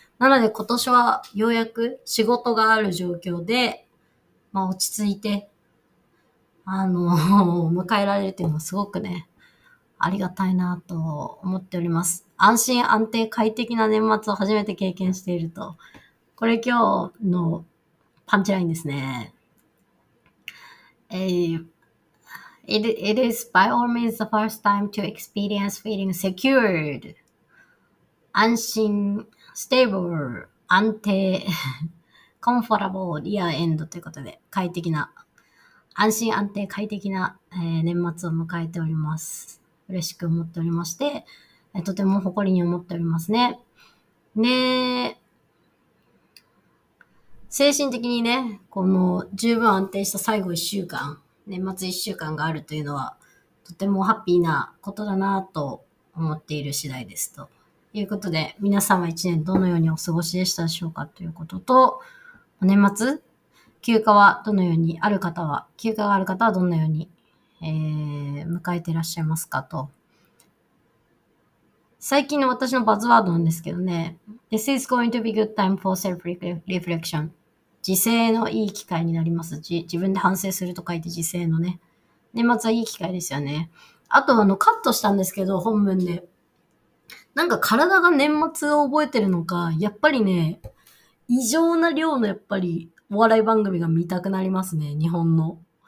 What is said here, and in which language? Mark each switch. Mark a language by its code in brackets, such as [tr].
[ja] なので今年はようやく仕事がある状況で、まあ落ち着いて、迎えられるっていうのはすごくね、ありがたいなと思っております。安心安定快適な年末を初めて経験していると。これ今日のパンチラインですね。 [en] It is by all means the first time to experience feeling secured. [ja] 安心、 [en] stable, [ja] 安定、 [en] comfortable, year end [ja] ということで、快適な、安心安定快適な、年末を迎えております。嬉しく思っておりまして、とても誇りに思っておりますね。ねえ、精神的にね、この十分安定した最後一週間、年末一週間があるというのは、とてもハッピーなことだなと思っている次第です。ということで、皆さんは一年どのようにお過ごしでしたでしょうかということと、年末、休暇はどのように、ある方は、休暇がある方はどのように、迎えていらっしゃいますかと。最近の私のバズワードなんですけどね、 [en] This is going to be good time for self reflection. [ja] 自制のいい機会になります。自分で反省すると書いて自制のね。年末はいい機会ですよね。あとカットしたんですけど、本文で。なんか体が年末を覚えてるのか、やっぱりね、異常な量のやっぱりお笑い番組が見たくなりますね、日本の。